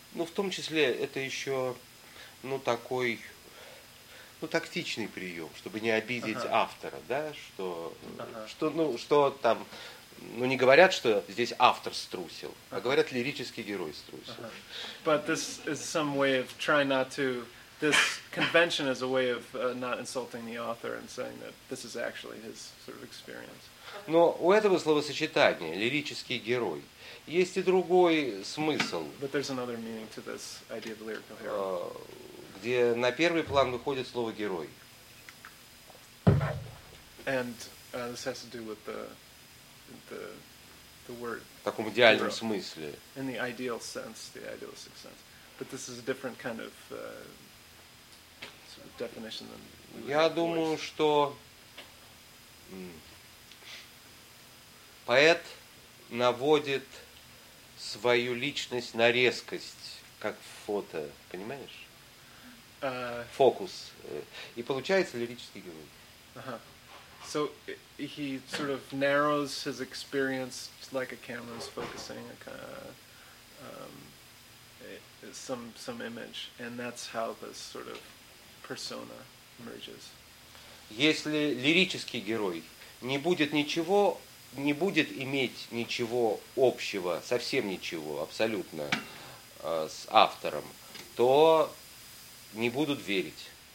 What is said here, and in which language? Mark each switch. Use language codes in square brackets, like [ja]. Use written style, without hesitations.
[ru] Ну, в том числе, это еще, ну, такой, ну, тактичный прием, чтобы не обидеть автора, да, что, что не говорят, что здесь автор струсил, а говорят, лирический герой струсил. [en] But this is some way of trying not to, this convention is a way of not insulting the author and saying that this is actually his sort of experience. [ru] Но у этого словосочетания, лирический герой, есть и другой смысл, где на первый план выходит слово «герой». [en] And this has to do with the word. [ru] В таком идеальном смысле. [en] In the ideal sense, the idealistic sense. But this is a different kind of sort of definition than. [ru] Я думаю, что Поэт наводит свою личность на резкость, как в фото, понимаешь? Фокус. И получается лирический герой. [en] So he sort of narrows his experience like a camera's focusing a some image, and that's how this sort of persona emerges. [ru] Если лирический герой не будет ничего, не будет иметь ничего общего, совсем ничего, абсолютно, с автором, то не будут верить.